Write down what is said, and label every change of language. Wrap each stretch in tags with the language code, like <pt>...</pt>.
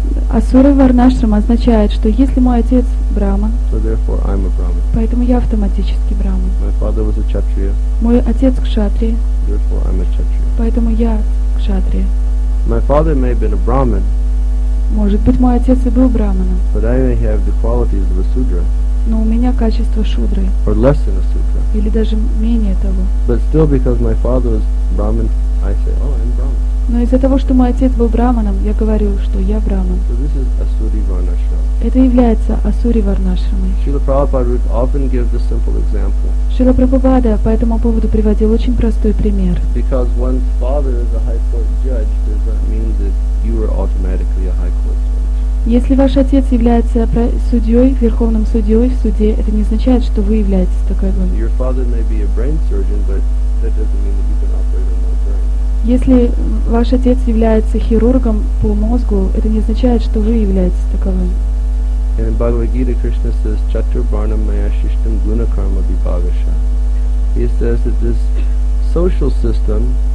<ru>Асура Варнашрама означает, что если мой отец Брахман,</ru> <en>so therefore I'm a Brahmin.</en> <ru>Поэтому я автоматически Брахман.</ru> <en>My father was a Kshatriya.</en> <ru>Мой отец Кшатрия.</ru> <en>Therefore I'm a Kshatriya.</en> <ru>Поэтому я Кшатрия.</ru> <en>My father may have been a Brahmin.</en> <ru>Может быть, мой отец и был брахманом.</ru> <en>But I may have the qualities of a sudra.</en> <ru>Но у меня качество шудры.</ru> <en>Or less than a sudra.</en> <ru>Или даже менее того.</ru> <en>But still, because my father was Brahmin, I say, oh, I'm Brahmin.</en> <ru>Но из-за того, что мой отец был брахманом, я говорю, что я брахман.</ru> <en>So this is Asuri Varnashrama.</en> <ru>Это является Асури Варнашрамой.</ru> <en>Srila Prabhupada would often give the simple example.</en> <ru>Шрила Прабхупада по этому поводу приводил очень простой пример.</ru> <en>Because one's father is a high court judge does not mean that you are automatically a high court judge.</en> <ru>Если ваш отец является судьей, верховным судьей в суде, это не означает, что вы являетесь такой.</ru> <en>Your father may be a brain surgeon, but that doesn't mean that you can operate on my brain.</en> <ru>Если ваш отец является хирургом по мозгу, это не означает, что вы являетесь таковым.</ru> <en>In Bhagavad Gita, Krishna says,</en> <sa>Chatur Barnam Maya Shishtam Guna Karma Vibhagasha.</sa> <en>He says that this social system</en>